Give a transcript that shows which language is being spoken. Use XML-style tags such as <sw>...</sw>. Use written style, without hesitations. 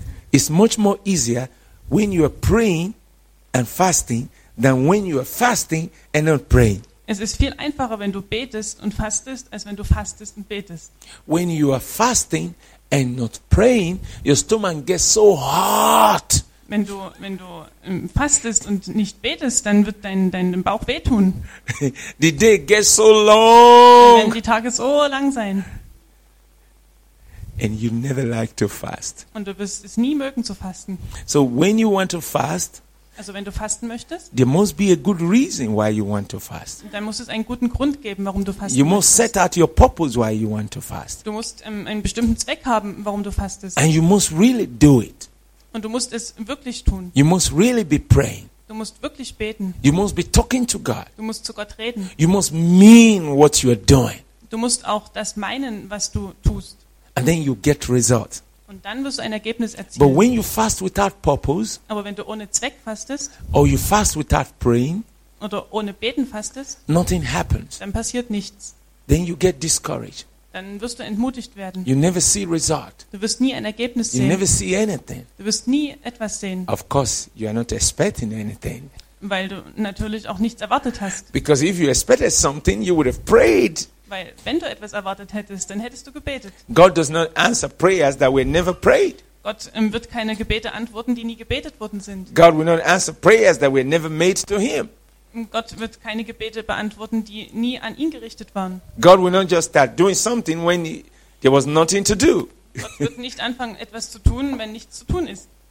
<en>It's much more easier when you are praying and fasting than when you are fasting and not praying.</en> <de>Es ist viel einfacher, wenn du betest und fastest, als wenn du fastest und betest.</de> <en>When you are fasting and not praying, your stomach gets so hot.</en> <de>Wenn du fastest und nicht betest, dann wird dein Bauch wehtun.</de> <en>The day gets so long.</en> <de>Wenn die Tage so lang sein.</de> <en>And you never like to fast.</en> <de>Und du wirst es nie mögen zu fasten.</de> <en>So when you want to fast.</en> <de>Also wenn du fasten möchtest,</de> <en>there must be a good reason why you want to fast.</en> <de>Dann muss es einen guten Grund geben, warum du fasten</de> <en>you must</en> <de>möchtest.</de> <en>Set out your purpose why you want to fast.</en> <de>Du musst einen bestimmten Zweck haben, warum du fastest.</de> <en>And you must really do it.</en> <de>Und du musst es wirklich tun.</de> <en>You must really be praying.</en> <de>Du musst wirklich beten.</de> <en>You must be talking to God.</en> <de>Du musst zu Gott reden.</de> <en>You must mean what you are doing.</en> <de>Du musst auch das meinen, was du tust.</de> <en>And then you get results.</en> <de>Und dann wirst du ein Ergebnis erzielen.</de> <en>But when you fast without purpose,</en> <de>aber wenn du ohne Zweck fastest,</de> <en>or you fast without praying,</en> <de>oder ohne Beten fastest,</de> <en>nothing happens.</en> <de>Dann passiert nichts.</de> <en>Then you get discouraged.</en> <de>Dann wirst du entmutigt werden.</de> <en>You never see result.</en> <de>Du wirst nie ein Ergebnis sehen.</de> <en>You never see anything.</en> <de>Du wirst nie etwas sehen.</de> <en>Of course, you are not expecting anything.</en> <de>Weil du natürlich auch nichts erwartet hast.</de> <en>Because if you expected something, you would have prayed.</en> <de>Weil wenn du etwas erwartet hättest, dann hättest du gebetet.</de> <en>God does not answer prayers that were never prayed.</en> <de>Gott wird keine Gebete antworten, die nie gebetet worden sind.</de> <en>God will not answer prayers that were never made to him.</en> <de>Gott wird keine Gebete beantworten, die nie an ihn gerichtet waren.</de> <en>God will not just start doing something when there was nothing to do.</en> <de>Gott wird nicht anfangen, etwas zu tun, wenn nichts zu tun ist.</de>